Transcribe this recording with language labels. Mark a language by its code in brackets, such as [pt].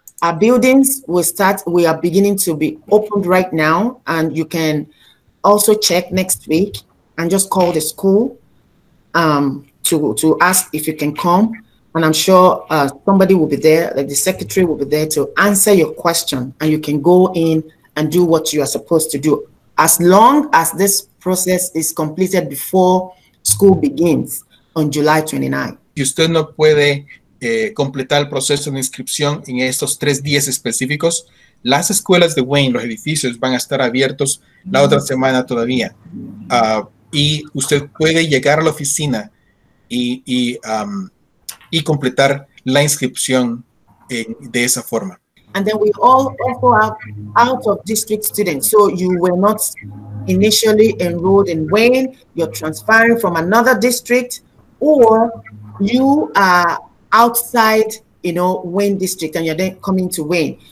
[en] Our buildings will start, we are beginning to be opened right now, and you can also check next week and just call the school to ask if you can come. And I'm sure somebody will be there, like the secretary will be there to answer your question, and you can go in and do what you are supposed to do, as long as this process is completed before school begins on July 29th. [es] Si usted no puede completar el proceso de inscripción en estos 3 días específicos, las escuelas de Wayne, los edificios, van a estar abiertos la otra semana todavía. Y usted puede llegar a la oficina y completar la inscripción de esa forma. [en] And then we all also have out of district students. So you were not initially enrolled in Wayne, you're transferring from another district, or you are outside, you know, Wayne district, and you're then coming to Wayne.